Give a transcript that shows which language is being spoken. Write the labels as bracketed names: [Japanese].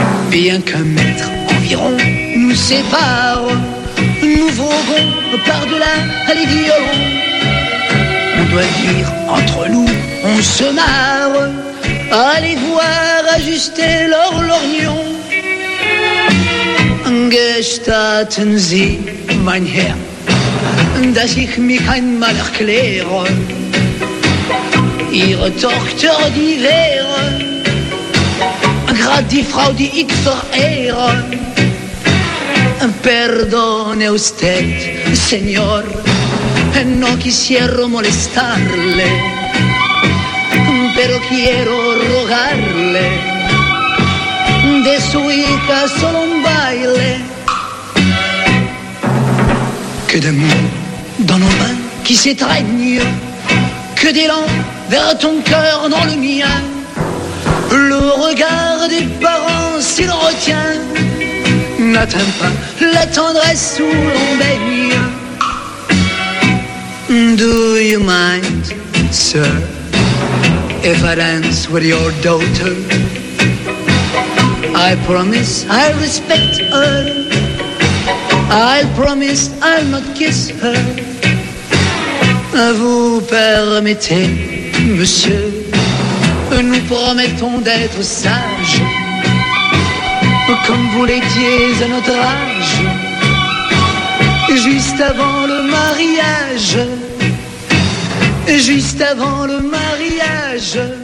[French] Bien qu'un mètre environ nous sépare, nous voguons par-delà les violons. On doit dire entre nous, on se marre. Allez voir ajuster leur lorgnon. [German] Gestatten Sie, mein Herr, dass ich mich einmal erkläre. Ihre Tochter, die wäre gerade die Frau, die ich verehre. [Spanish] Perdone usted, señor, no quisiera molestarle, pero quiero rogarle de su hija solo un baile. [French] Que d'amour dans nos mains qui s'étreignent, que d'élan vers ton cœur dans le mien. Le regard des parents s'il retient n'atteint pas la tendresse où l'on baigne. [English] Do you mind, sir, if I dance with your daughter? I promise I respect her. I promise I'll not kiss her. [French] Vous permettez, monsieur, nous promettons d'être sages, comme vous l'étiez à notre âge, juste avant le mariage, juste avant le mariage.